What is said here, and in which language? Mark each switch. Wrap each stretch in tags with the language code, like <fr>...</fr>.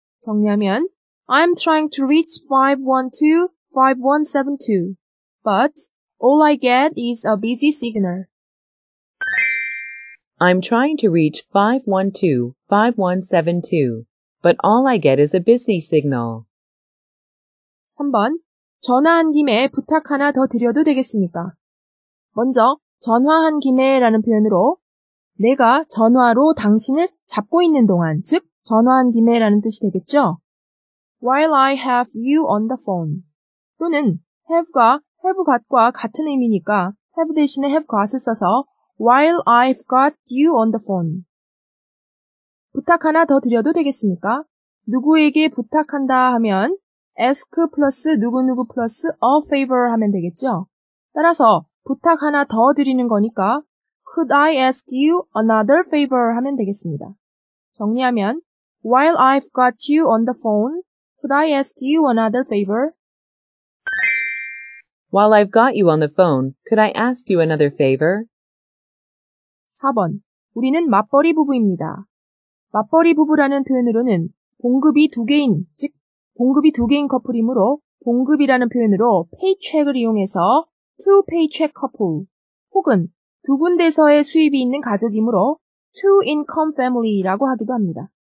<ko>정리하면</ko> <en>I'm trying to reach 512-5172 but all I get is a busy signal I'm trying to reach 512-5172 but all I get is a busy signal</en> <ko>3번 전화한 김에 부탁 하나 더 드려도 되겠습니까? 먼저 전화한 김에라는 표현으로 내가 전화로 당신을 잡고 있는 동안, 즉 전화한 김에라는 뜻이 되겠죠?</ko> <en>While I have you on the phone</en> <ko>또는 have가 have got과 같은 의미니까 have 대신에 have got을 써서</ko> <en>While I've got you on the phone</en> <ko>부탁 하나 더 드려도 되겠습니까? 누구에게 부탁한다 하면 ask 플러스 누구누구 플러스 a favor 하면 되겠죠? 따라서 부탁 하나 더 드리는 거니까</ko> <en>could I ask you another favor</en> <ko>하면 되겠습니다. 정리하면</ko> <en>while I've got you on the phone, could I ask you another favor? While I've got you on the phone, could I ask you another favor?</en> <ko>4번. 우리는 맞벌이 부부입니다. 맞벌이 부부라는 표현으로는 봉급이 두 개인, 즉 봉급이 두 개인 커플이므로 봉급이라는 표현으로 paycheck을 이용해서</ko> <en>two paycheck couple</en> <ko>혹은 두 군데서의 수입이 있는 가족이므로</ko> <en>two income family</en> <ko>라고 하기도 합니다.</ko>